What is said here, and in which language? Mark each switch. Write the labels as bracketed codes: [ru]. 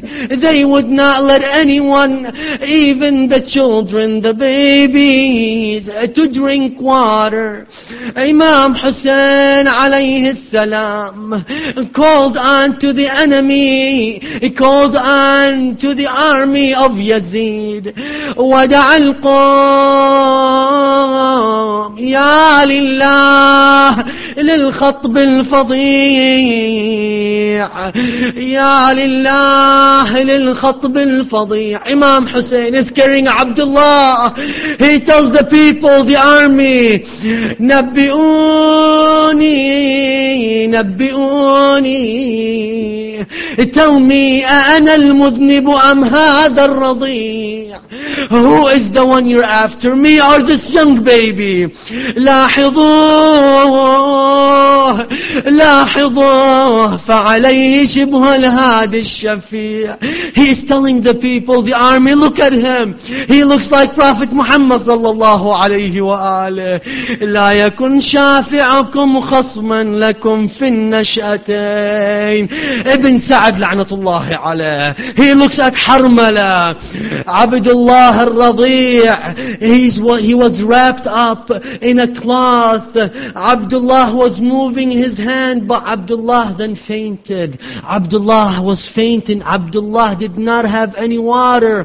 [en] They would not let anyone, even the children, the babies, to drink water. Imam Hussein alayhi salam called on to the enemy. He called on to the army of Yazid. [ar] Wada' al-qawm ya lillah lil-khawm خطب الفظيع يا لله للخطب الفظيع. [en] Imam Hussein is carrying Abdullah. He tells the people, the army, [ar] نبئوني نبئوني. [en] Tell me, [ar] أنا المذنب أم هذا الرضيع. [en] Who is the one you're after, me or this young baby? [ar] لاحظوه لاحظوه فعليه شبه الهادي الشفيع. [en] He is telling the people, the army, look at him. He looks like Prophet Muhammad [ar] صلى الله عليه وآله. لا يكن شافعكم خصما لكم في النشأتين. ابن سعد لعنة الله عليه. [en] He looks at حرملة. [ar] عبدالله الرضيع. [en] He was wrapped up in a cloth. Abdullah was moving his hand, but Abdullah then fainted. Abdullah was fainting. Abdullah did not have any water.